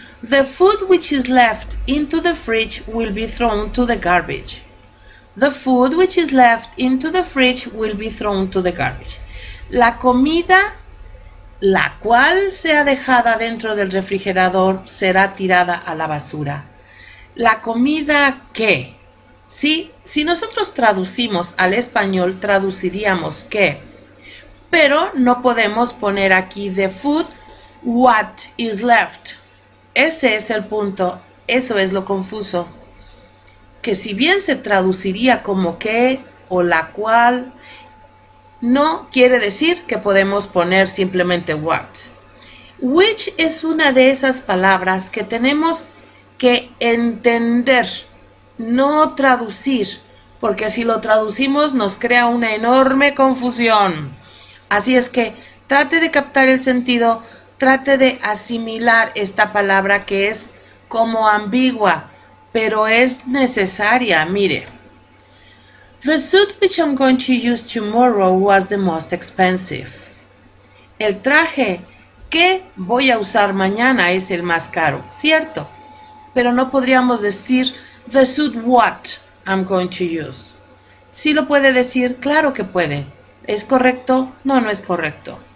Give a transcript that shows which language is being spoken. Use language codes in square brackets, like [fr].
[en] The food which is left into the fridge will be thrown to the garbage. The food which is left into the fridge will be thrown to the garbage. [es] La comida, la cual sea dejada dentro del refrigerador, será tirada a la basura. La comida que, ¿sí? Si nosotros traducimos al español, traduciríamos que. Pero no podemos poner aquí [en] the food what is left. [es] Ese es el punto. Eso es lo confuso. Que si bien se traduciría como qué o la cual, no quiere decir que podemos poner simplemente what. Which es una de esas palabras que tenemos que entender, no traducir, porque si lo traducimos nos crea una enorme confusión. Así es que trate de captar el sentido, trate de asimilar esta palabra que es como ambigua. Pero es necesaria, mire. [en] The suit which I'm going to use tomorrow was the most expensive. [es] El traje que voy a usar mañana es el más caro, ¿cierto? Pero no podríamos decir [en] the suit what I'm going to use. [es] ¿Sí lo puede decir? Claro que puede. ¿Es correcto? No, no es correcto.